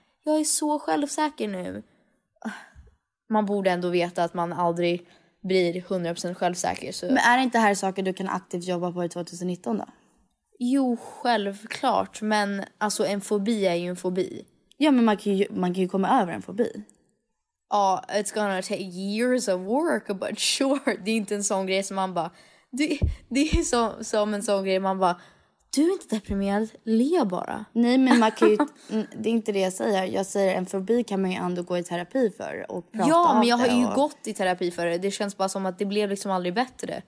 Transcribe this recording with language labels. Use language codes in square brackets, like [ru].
[sv] Jag är så självsäker nu. Man borde ändå veta att man aldrig blir 100% självsäker. Så... men är det inte här saker du kan aktivt jobba på i 2019 då? Jo, självklart. Men alltså, en fobi är ju en fobi. Ja, men man kan ju komma över en fobi. [en] Ja, it's gonna take years of work, but sure. [sv] Det är inte en sån grej som man bara... Det är som en sån grej man bara... du är inte deprimerad, le bara. Nej, men man kan ju... det är inte det jag säger. Jag säger en fobi kan man ju ändå gå i terapi för och prata. Ja, men jag har ju gått i terapi för det. Det känns bara som att det blev liksom aldrig bättre.